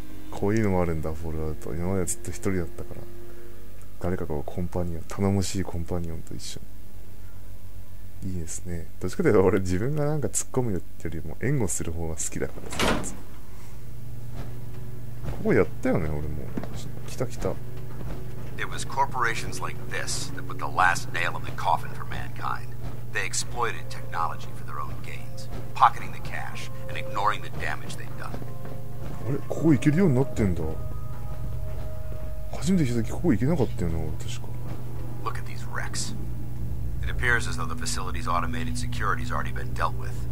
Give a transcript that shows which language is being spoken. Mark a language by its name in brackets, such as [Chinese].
[Japanese] こういうのもあるんだ、フォローアウト。今までずっと一人だったから。誰かがコンパニオン、頼もしいコンパニオンと一緒に。いいですね。どっちかというと俺自分がなんか突っ込むよってよりも援護する方が好きだからさ。ここやったよね俺も。来た来た。 [English] It was corporations like this that put the last nail in the coffin for mankind. They exploited technology for their own gains, pocketing the cash and ignoring the damage they'd done. [Japanese] あれここ行けるようになってんだ。初めて来た時ここ行けなかったよね俺確か。 [English] Look at these wrecks. It appears as though the facility's automated security's already been dealt with.